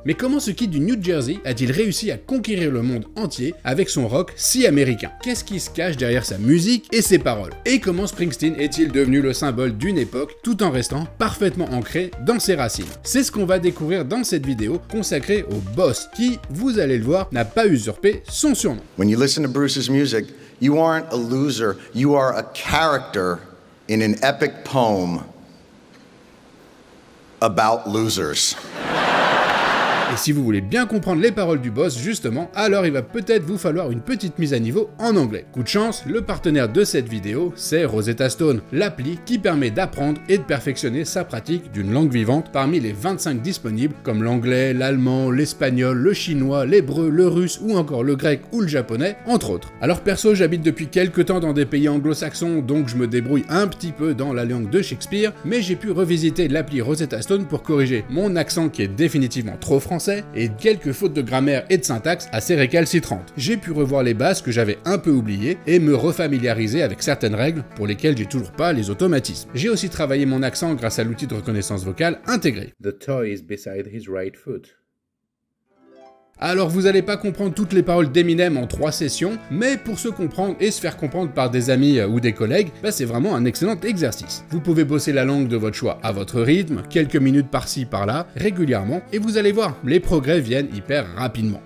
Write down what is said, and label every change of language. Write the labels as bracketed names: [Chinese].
[French] Mais comment ce kid du New Jersey a-t-il réussi à conquérir le monde entier avec son rock si américain? Qu'est-ce qui se cache derrière sa musique et ses paroles? Et comment Springsteen est-il devenu le symbole d'une époque tout en restant parfaitement ancré dans ses racines? C'est ce qu'on va découvrir dans cette vidéo consacré au boss qui, vous allez le voir, n'a pas usurpé son surnom. [English] When you listen to Bruce's music, you aren't a loser, you are a character in an epic poem about losers. [French] Et si vous voulez bien comprendre les paroles du boss, justement, alors il va peut-être vous falloir une petite mise à niveau en anglais. Coup de chance, le partenaire de cette vidéo, c'est Rosetta Stone, l'appli qui permet d'apprendre et de perfectionner sa pratique d'une langue vivante parmi les 25 disponibles, comme l'anglais, l'allemand, l'espagnol, le chinois, l'hébreu, le russe ou encore le grec ou le japonais, entre autres. Alors perso, j'habite depuis quelques temps dans des pays anglo-saxons, donc je me débrouille un petit peu dans la langue de Shakespeare, mais j'ai pu revisiter l'appli Rosetta Stone pour corriger mon accent qui est définitivement trop français et quelques fautes de grammaire et de syntaxe assez récalcitrantes. J'ai pu revoir les bases que j'avais un peu oubliées et me refamiliariser avec certaines règles pour lesquelles j'ai toujours pas les automatismes. J'ai aussi travaillé mon accent grâce à l'outil de reconnaissance vocale intégré. [English] The toy is beside his right foot. [French] Alors vous allez pas comprendre toutes les paroles d'Eminem en 3 sessions, mais pour se comprendre et se faire comprendre par des amis ou des collègues, bah c'est vraiment un excellent exercice. Vous pouvez bosser la langue de votre choix à votre rythme, quelques minutes par-ci par-là, régulièrement, et vous allez voir, les progrès viennent hyper rapidement.